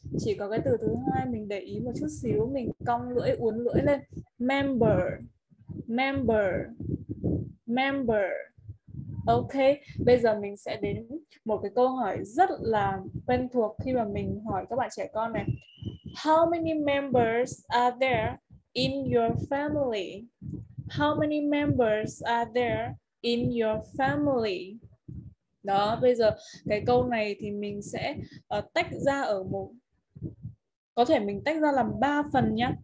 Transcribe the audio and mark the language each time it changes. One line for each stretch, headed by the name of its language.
Vietnamese: Chỉ có cái từ thứ hai mình để ý một chút xíu, mình cong lưỡi, uốn lưỡi lên.
English: Member. Member. Member.
Vietnamese: Ok, bây giờ mình sẽ đến một cái câu hỏi rất là quen thuộc khi mà mình hỏi các bạn trẻ con này.
English: How many members are there in your family? How many members are there in your family?
Vietnamese: Đó, bây giờ cái câu này thì mình sẽ tách ra ở một... Có thể mình tách ra làm 3 phần nhé.